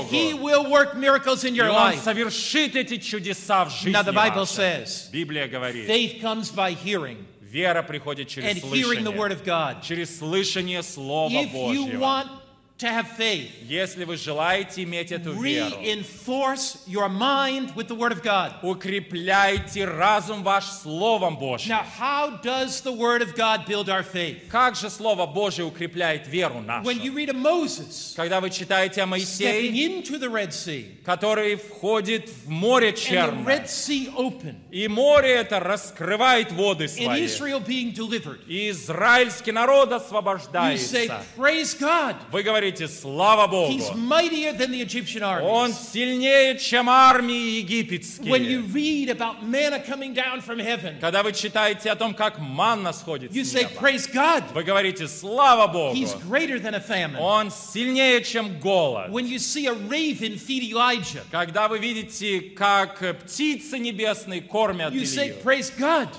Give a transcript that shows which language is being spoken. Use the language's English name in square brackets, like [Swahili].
[English] And He will work miracles in your [Russian] И Он [English] life. [Russian] Совершит эти чудеса в жизни [English] Now the Bible [Russian] вашей. [English] Says, [Russian] Библия говорит, [English] faith comes by hearing. [Russian] Вера приходит через [English] and [Russian] слышание. [English] Hearing the word of God. [Russian] Через слышание Слова [English] If [Russian] Божьего. [English] You want to have faith, [Russian] если вы желаете иметь эту [English] reinforce [Russian] веру, [English] your mind with the word of God. [Russian] Укрепляйте разум ваш Словом Божьим. [English] Now, how does the word of God build our faith? [Russian] Как же Слово Божье укрепляет веру нашу? [English] When you read of Moses, [Russian] когда вы читаете о Моисее, [English] stepping into the Red Sea, [Russian] который входит в море Черное, [English] and the Red Sea open, [Russian] и море это раскрывает воды свои, [English] and Israel being delivered, [Russian] и израильский народ освобождается, [English] you say, praise God. [Russian] Вы говорите, слава Богу. [English] He's mightier than the Egyptian armies. [Russian] Он сильнее, чем армии египетские. [English] When you read about manna coming down from heaven, [Russian] когда вы читаете о том, как манна сходит [English] you [Russian] с [English] say, [Russian] неба, [English] praise God. [Russian] Вы говорите, слава Богу. [English] He's greater than a famine. [Russian] Он сильнее, чем голод. [English] When you see a raven feed Elijah, [Russian] когда вы видите, как птицы небесные кормят Илию, [English] you say, praise God.